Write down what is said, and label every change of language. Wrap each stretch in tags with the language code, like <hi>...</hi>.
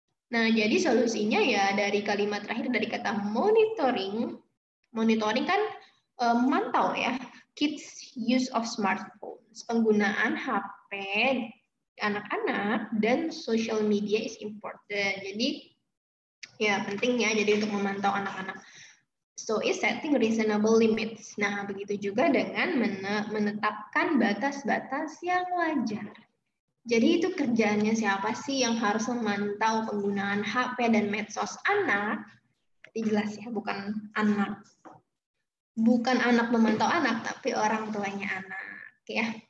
<id>Nah, jadi solusinya ya dari kalimat terakhir, dari kata monitoring. Monitoring kan memantau ya,</id> <en>kids use of smartphones.</en> <id>Penggunaan HP anak-anak dan</id> <en>social media is important.</en> <id>Jadi, ya penting ya, jadi untuk memantau anak-anak.</id> <en>So, is setting reasonable limits.</en> <id>Nah, begitu juga dengan menetapkan batas-batas yang wajar. Jadi itu kerjaannya siapa sih yang harus memantau penggunaan HP dan medsos anak? Jadi jelas ya, bukan anak. Bukan anak memantau anak, tapi orang tuanya anak. Ya.</id>